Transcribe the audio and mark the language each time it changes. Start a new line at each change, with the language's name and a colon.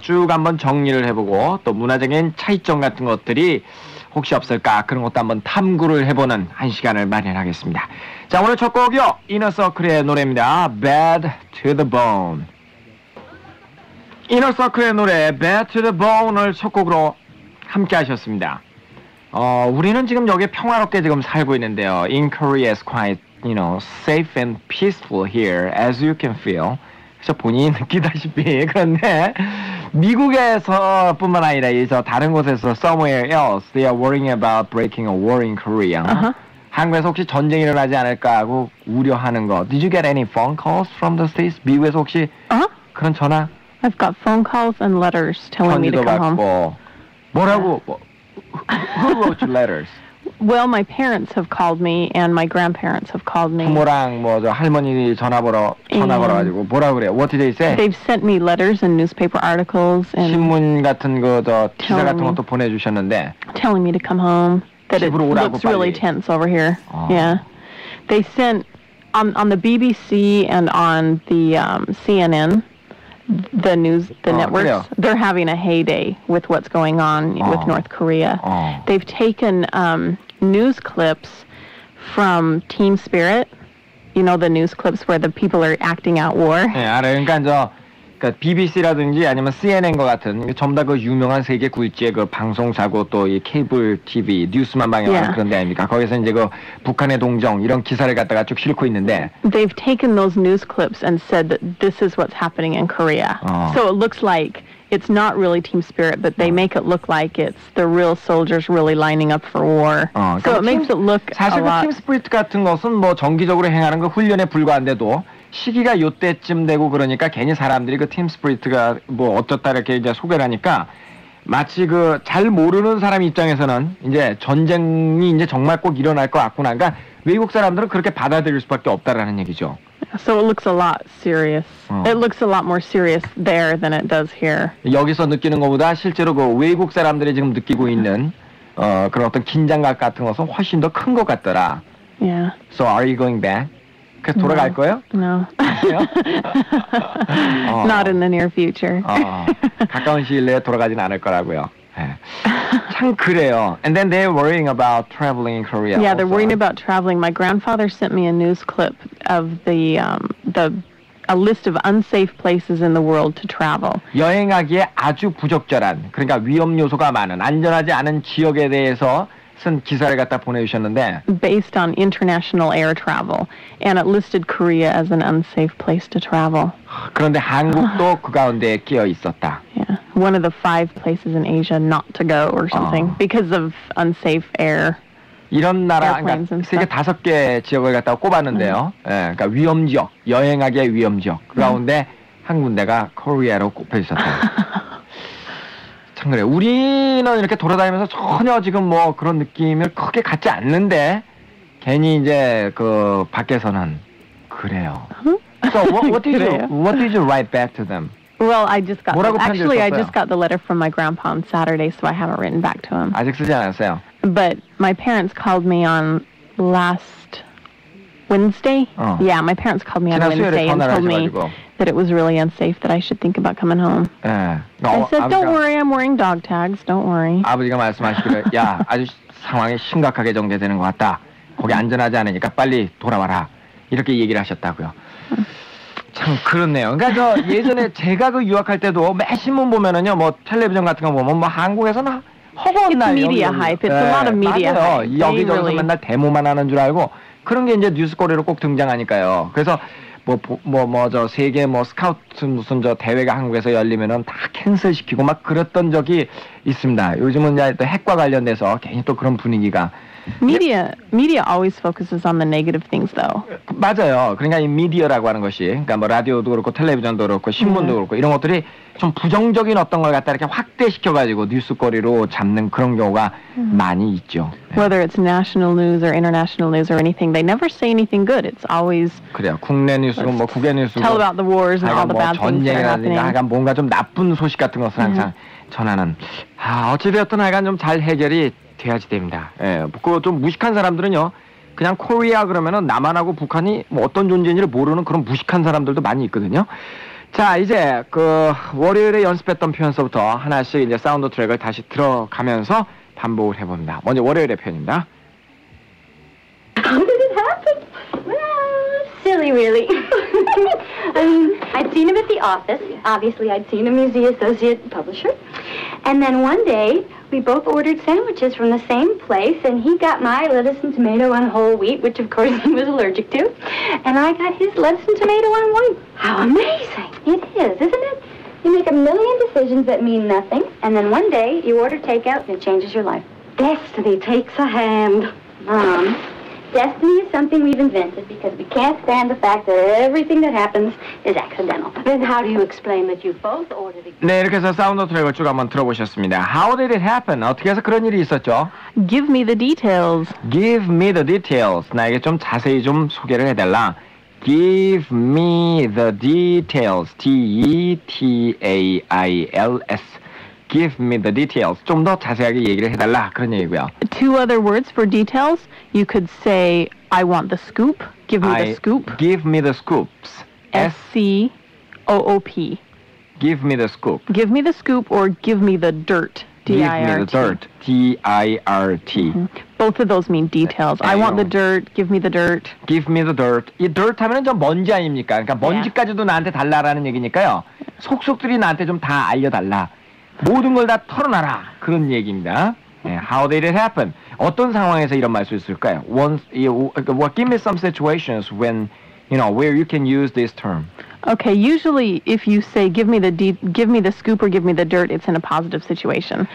Korean: 쭉 한번 정리를 해보고 또 문화적인 차이점 같은 것들이 혹시 없을까 그런 것도 한번 탐구를 해보는 한 시간을 마련하겠습니다. 자, 오늘 첫 곡이요. 이너서클의 노래입니다.
English: Bad to the Bone.
Korean: 이너서클의 노래 Bad to the Bone을 첫 곡으로 함께 하셨습니다. 우리는 지금 여기 평화롭게 지금 살고 있는데요.
English: In Korea is quite, you know, safe and peaceful here, as you can feel.
Korean: 그래서 본인이 느끼다시피. 그런데 미국에서뿐만 아니라 이제 다른 곳에서
English: somewhere else they are worrying about breaking a war in Korea. Uh-huh.
Korean: 한국에서 혹시 전쟁이 일어나지 않을까 하고 우려하는 거.
English: Did you get any phone calls from the States?
Korean: 미국에서 혹시 uh-huh. 그런 전화?
English: I've got phone calls and letters telling me to come
Korean: 받고.
English: home.
Korean: 뭐라고?
English: Yeah. Who wrote your letters? Well, my parents have called me and my grandparents have called me.
Korean: 부모랑 뭐 저 할머니 전화 걸어가지고 뭐라 그래요?
English: What did they say? They've sent me letters and newspaper articles and
Korean: 신문 같은 거 저 기사 같은 것도 보내주셨는데
English: telling me to come home. That
Korean: 집으로 오라고 빨리.
English: It looks really tense over here. 어. Yeah. They sent on the BBC and on the CNN. The news, the networks,
Korean: 그래요.
English: they're having a heyday with what's going on with North Korea. They've taken news clips from Team Spirit, you know, the news clips where the people are acting out war.
Korean: 네, 알아요. 그러니까 저 그러니까 BBC라든지 아니면 CNN 것 같은 전부 다 그 유명한 세계 굴지의 그 방송사고 또 이 케이블 TV, 뉴스만 방영하는 yeah. 그런 데 아닙니까? 거기서 이제 그 북한의 동정 이런 기사를 갖다가 쭉 실고 있는데
English: They've taken those news clips and said that this is what's happening in Korea. So it looks like it's not really Team Spirit, but they make it look like it's the real soldiers really lining up for war. So it makes it look a lot.
Korean: 사실 그 Team Spirit 같은 것은 뭐 정기적으로 행하는 그 훈련에 불과한데도 시기가 요때쯤 되고 그러니까 괜히 사람들이 그 Team Spirit가 뭐 어떻다 이렇게 이제 소개를 하니까 마치 그 잘 모르는 사람 입장에서는 이제 전쟁이 이제 정말 꼭 일어날 것 같구나. 그러니까 외국 사람들은 그렇게 받아들일 수밖에 없다라는 얘기죠.
English: So it looks a lot serious. It looks a lot more serious there than it does here.
Korean: 여기서 느끼는 것보다 실제로 그 외국 사람들이 지금 느끼고 있는 그런 어떤 긴장감 같은 것은 훨씬 더 큰 것 같더라. Yeah.
English: So are you going back?
Korean: 그래서 돌아갈
English: no.
Korean: 거예요?
English: No.
Korean: 아니요?
English: Not in the near future.
Korean: 가까운 시일 내에 돌아가진 않을 거라고요. 참 그래요.
English: And then they're worrying about traveling in Korea. Yeah, they're also. worrying about traveling. My grandfather sent me a news clip of a list of unsafe places in the world to travel.
Korean: 여행하기에 아주 부적절한, 그러니까 위험 요소가 많은, 안전하지 않은 지역에 대해서 쓴 기사를 갖다 보내주셨는데
English: Based on international air travel. And it listed Korea as an unsafe place to travel.
Korean: 그런데 한국도 그 가운데에 끼어 있었다.
English: One of the five places in Asia not to go or something because of unsafe air.
Korean: 이런 나라 그러니까 세계 다섯 개 지역을 갖다 꼽았는데요. 예, 그러니까 위험 지역, 여행하기에 위험 지역 가운데 한 군데가 코리아로 꼽혀 있었다. 참 그래. 우리는 이렇게 돌아다니면서 전혀 지금 뭐 그런 느낌을 크게 갖지 않는데 괜히 이제 그 밖에서는 그래요.
English: So what did you write back to them? Well, I just got. Actually, I just got the letter from my grandpa on Saturday, so I haven't written back to him.
Korean: 아직 쓰지 않았어요.
English: But my parents called me on last Wednesday. 어. Yeah, my parents called me on Wednesday and told me that it was really unsafe that I should think about coming home. 예. 네. I said, don't worry, I'm wearing dog tags. Don't worry.
Korean: 아버지가 말씀하시기를, 야, 아주 상황이 심각하게 전개되는 것 같다. 거기 안전하지 않으니까 빨리 돌아와라. 이렇게 얘기를 하셨다고요. 참 그렇네요. 그러니까 저 예전에 제가 그 유학할 때도 매 신문 보면은요, 뭐 텔레비전 같은 거 보면 뭐 한국에서는 허구한 날이요.
English: Media hype. It's 네, a lot of media
Korean: 맞아요.
English: hype.
Korean: 여기저기서 really... 맨날 데모만 하는 줄 알고 그런 게 이제 뉴스 거리로 꼭 등장하니까요. 그래서 뭐 저 세계 뭐 스카우트 무슨 저 대회가 한국에서 열리면은 다 캔슬 시키고 막 그랬던 적이 있습니다. 요즘은 이제 또 핵과 관련돼서 괜히 또 그런 분위기가.
English: Media always focuses on the negative things, though.
Korean: 맞아요. 그러니까 이 미디어라고 하는 것이, 그러니까 뭐 라디오도 그렇고 텔레비전도 그렇고 신문도 그렇고 이런 것들이 좀 부정적인 어떤 걸 갖다 이렇게 확대시켜가지고 뉴스거리로 잡는 그런 경우가 많이 있죠.
English: Whether it's national news or international news or anything, they never say anything good. It's always
Korean: 그래요. 국내 뉴스고 뭐 국외 뉴스고
English: tell about the wars and all the bad things.
Korean: 전쟁이라든가 하여간 뭔가 좀 나쁜 소식 같은 것을 항상 전하는. 아 어찌되었든 하여간 좀 잘 해결이 돼야지 됩니다. 예, 그 좀 무식한 사람들은요, 그냥 코리아 그러면은 남한하고 북한이 뭐 어떤 존재인지를 모르는 그런 무식한 사람들도 많이 있거든요. 자, 이제 그 월요일에 연습했던 표현서부터 하나씩 이제 사운드 트랙을 다시 들어가면서 반복을 해봅니다. 먼저 월요일의 표현입니다.
English: How did it happen? Well, silly really. I mean, I'd seen him at the office. Obviously, I'd seen him as the associate publisher. And then one day, we both ordered sandwiches from the same place, and he got my lettuce and tomato on whole wheat, which of course he was allergic to, and I got his lettuce and tomato on white. How amazing it is, isn't it? You make a million decisions that mean nothing, and then one day, you order takeout, and it changes your life. Destiny takes a hand. Mom, destiny is something we've invented because we can't stand the fact that everything that happens is accidental. Then how do you explain that you both ordered a...
Korean: 네, 이렇게 해서 사운드 트랙을 쭉 한번 들어보셨습니다.
English: How did it happen?
Korean: 어떻게 해서 그런 일이 있었죠?
English: Give me the details. Give me the details.
Korean: 나에게 좀 자세히 좀 소개를 해달라.
English: Give me the details. D-E-T-A-I-L-S. Give me the details.
Korean: 좀 더 자세하게 얘기를 해달라. 그런 얘기고요.
English: Two other words for details. You could say, I want the scoop. Give me the scoop. Give me the scoops. S-C-O-O-P. Give me the scoop. Give me the scoop or give me the dirt. D-I-R-T. Give me the dirt. D-I-R-T. Mm-hmm. Both of those mean details. I want the dirt. Give me the dirt. Give me the dirt.
Korean: 이 dirt 하면 좀 먼지 아닙니까? 그러니까 먼지까지도 나한테 달라라는 얘기니까요. 속속들이 나한테 좀 다 알려달라. 모든 걸 다 털어놔라. 그런 얘기입니다. 네,
English: how did it happen?
Korean: 어떤 상황에서 이런 말 쓸 수 있을까요?
English: Give me some situations when, you know, where you can use this term. Okay, usually if you say give me the scoop or give me the dirt, it's in a positive situation.